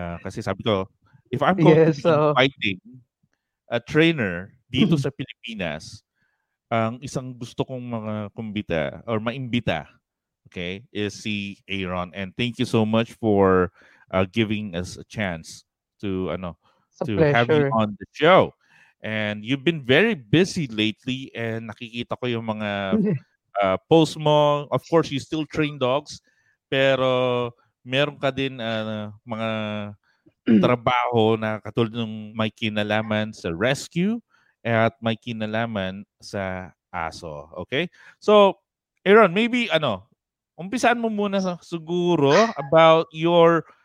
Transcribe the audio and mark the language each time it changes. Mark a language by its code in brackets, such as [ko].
[tl] Kasi sabi ko, [en] if I'm going to be inviting a trainer [tl] dito sa Pilipinas, ang isang gusto kong mga kumbita or maimbita, okay, is si Aeron. [en] And thank you so much for giving us a chance to have you on the show. And you've been very busy lately and [tl] nakikita ko yung mga posts mo. [en] Of course, you still train dogs. [tl] Pero meron ka din mga trabaho na katulad ng may kinalaman sa rescue at may kinalaman sa aso. [en] Okay? [tl] So, Aeron, maybe umpisaan mo muna siguro about your